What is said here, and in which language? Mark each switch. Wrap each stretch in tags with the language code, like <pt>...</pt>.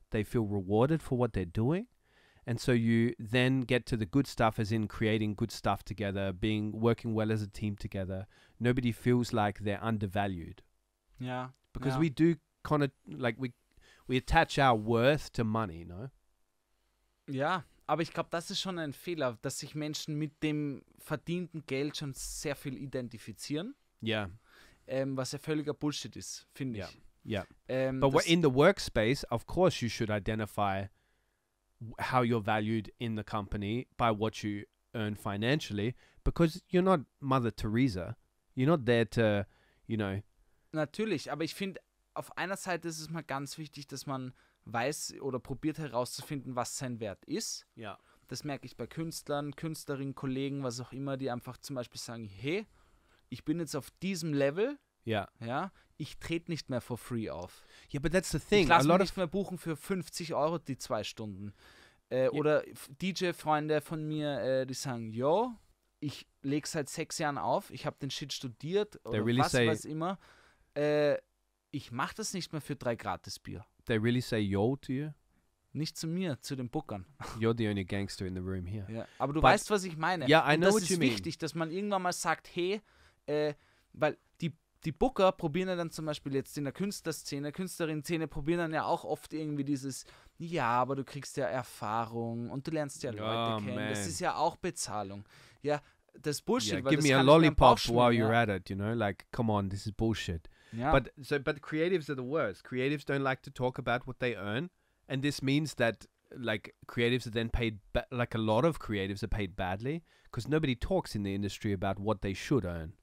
<en>They feel rewarded for what they're doing. And so you then get to the good stuff, as in creating good stuff together, being working well as a team together. Nobody feels like they're undervalued. Yeah. Because we do kind of like we attach our worth to money, no? Yeah.</en> <de>Aber ich glaube, das ist schon ein Fehler, dass sich Menschen mit dem verdienten Geld schon sehr viel identifizieren.</de> <en>Yeah.</en> <de>Was ja völliger Bullshit ist, finde ich.</de> <en>Yeah. But in the workspace, of course you should identify how you're valued in the company by what you earn financially, because you're not Mother Teresa. You're not there to, you know.</en> <de>Natürlich, aber ich finde, auf einer Seite ist es mal ganz wichtig, dass man weiß oder probiert herauszufinden, was sein Wert ist. Ja. Das merke ich bei Künstlern, Künstlerinnen, Kollegen, was auch immer, die einfach zum Beispiel sagen, hey, ich bin jetzt auf diesem Level. Ja. Ja, ich trete nicht mehr</de> <en>for free</en> <de>auf.</de> <en>Ja, yeah, but that's the thing.</en> <de>Ich lasse mich nicht mehr buchen für 50 Euro die zwei Stunden. Oder DJ-Freunde von mir, die sagen, yo, ich lege seit 6 Jahren auf, ich habe den Shit studiert oder</de> <en>they really was say,</en> <de>weiß immer. Ich mache das nicht mehr für 3 Gratis-Bier.</de> <en>They really say yo to you?</en> <de>Nicht zu mir, zu den Bookern.</de> <en>You're the only gangster in the room here.</en> <de>Ja, aber du But, weißt, was ich meine.</de> <en>Yeah, I know what you mean.</en> <de>Das ist wichtig, dass man irgendwann mal sagt, hey, weil die Booker probieren ja dann zum Beispiel jetzt in der Künstlerszene, Künstlerinnen-Szene probieren dann ja auch oft irgendwie dieses, ja, aber du kriegst ja Erfahrung und du lernst ja Leute kennen. Man. Das ist ja auch Bezahlung. Ja, das ist Bullshit. Yeah, weil</de> <en>give</en> <de>das</de> <en>me</en> <de>kann</de> <en>a lollipop while you're at it, you know? Like, come on, this is bullshit. Yeah. But creatives are the worst. Creatives don't like to talk about what they earn. And this means that, like, creatives are then paid, like a lot of creatives are paid badly, because nobody talks in the industry about what they should earn.</en>